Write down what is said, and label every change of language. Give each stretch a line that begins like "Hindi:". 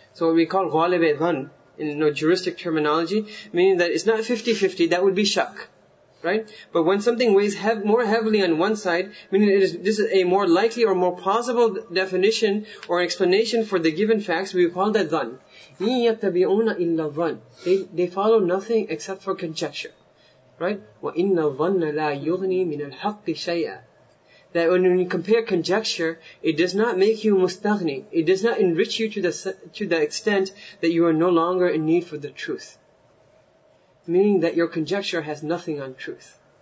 English: So what we call غَالِبِ dhan in, you know, juristic terminology, meaning that it's not 50-50, that would be shak. Right? But when something weighs more heavily on one side, meaning this is a more likely or more plausible definition or explanation for the given facts, we call that dhan.
Arabic: يَتَّبِعُونَ إِلَّا dhan.
English: They follow nothing except for conjecture.
Arabic: Right? وَإِنَّ الظَّنَّ لَا يُغْنِي مِنَ الْحَقِّ شَيْئًا.
English: That when you compare conjecture, it does not make you mustaghni. It does not enrich you to the extent that you are no longer in need for the truth. Meaning that your conjecture has nothing on truth.